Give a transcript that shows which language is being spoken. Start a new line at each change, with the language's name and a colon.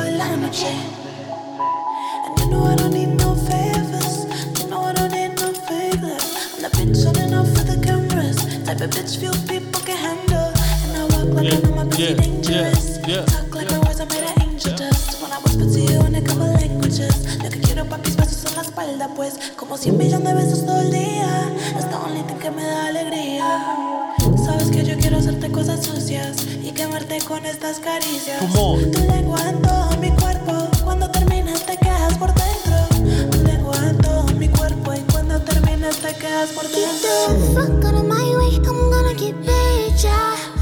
English: And you know I don't need no favors. You know I don't need no favors. bitch few people can handle. And I walk like I know my pussy dangerous. Talk like my words are made of angel dust. When I whisper to you in a couple languages,
Spanish: lo que quiero papi es besos en la espalda, pues como 100 millones de besos todo el día. Es
English: the only thing
Spanish: que me da alegría. Sabes que yo quiero hacerte cosas sucias y quemarte con estas caricias.
English: Come on.
Spanish: Tu lengua en todo mi cuerpo, cuando terminas te quedas por dentro. Tu lengua en todo mi cuerpo y cuando terminas te quedas por dentro.
English: Get the fuck out of my way, I'm gonna get paid, yeah.